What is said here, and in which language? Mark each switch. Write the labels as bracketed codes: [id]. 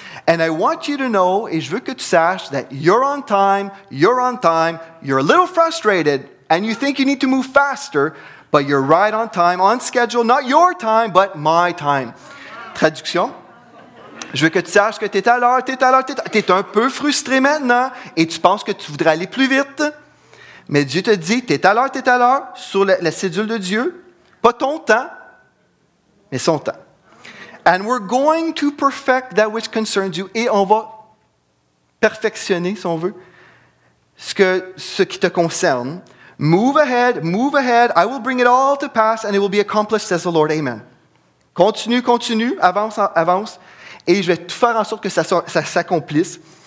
[en] And I want you to know, [fr] et je veux que tu saches, [en] that you're on time, you're a little frustrated, and you think you need to move faster, but you're right on time, on schedule, not your time, but my time. [fr] Traduction. Je veux que tu saches que t'es à l'heure. T'es un peu frustré maintenant et tu penses que tu voudrais aller plus vite. Mais Dieu te dit, t'es à l'heure, sur la cédule de Dieu. Pas ton temps, mais son temps. [en] And we're going to perfect that which concerns you. [fr] Et on va perfectionner, si on veut, ce qui te concerne. [en] Move ahead. I will bring it all to pass and it will be accomplished, says the Lord. [fr] Amen. Continue. Avance. Et je vais tout faire en sorte que ça s'accomplisse.